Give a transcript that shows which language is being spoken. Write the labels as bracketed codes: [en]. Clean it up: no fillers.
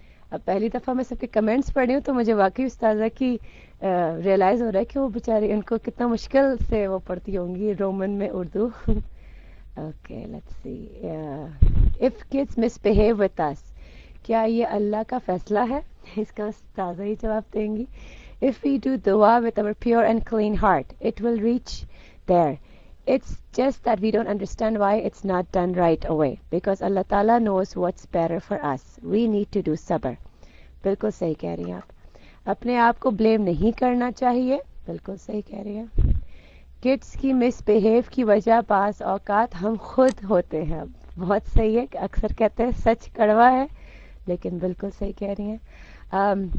[ur] اب پہلی دفعہ میں سب کے کمنٹس پڑھ رہی ہوں تو مجھے واقعی استاذہ کی ریئلائز ہو رہا ہے کہ وہ بےچاری, ان کو کتنا مشکل سے وہ پڑھتی ہوں گی رومن میں Urdu. [en] okay, let's see, if kids misbehave with us اس, [ur] کیا یہ اللہ کا فیصلہ ہے؟ اس کا استاذہ ہی جواب دیں گی. [en] If we do دعا with our pure and clean heart, it will reach there. It's just that we don't understand why it's not done right away. Because Allah Ta'ala knows what's better for us. We need to do sabr. [ur] بالکل صحیح کہہ رہی ہیں آپ. اپنے آپ کو blame نہیں کرنا چاہیے. بالکل صحیح کہہ رہی ہیں. کڈس کی مس بہیو کی وجہ بعض اوقات ہم خود ہوتے ہیں. بہت صحیح ہے, اکثر کہتے ہیں سچ کڑوا ہے, لیکن بالکل صحیح کہہ رہی ہیں.